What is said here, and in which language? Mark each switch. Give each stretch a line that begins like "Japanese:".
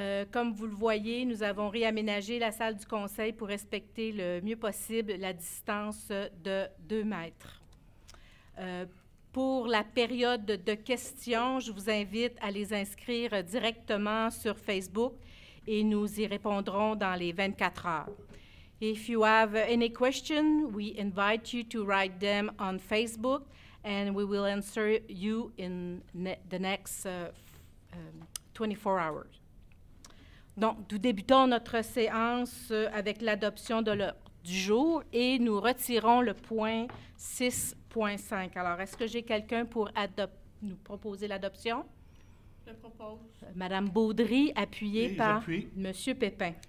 French: Comme vous le voyez, nous avons réaménagé la salle du conseil pour respecter le mieux possible la distance de 2 mètres. Pour la période de questions, je vous invite à les inscrire directement sur Facebook et nous y répondrons dans les 24 heures.
English: If you have any question, we invite you to write them on Facebook and we will answer you in the next 24 hours.
French: Donc, nous débutons notre séance avec l'adoption de l'ordre du jour et nous retirons le point 6.5. Alors, est-ce que j'ai quelqu'un pour nous proposer l'adoption? Je propose. Madame Baudry, appuyée par Monsieur Pépin.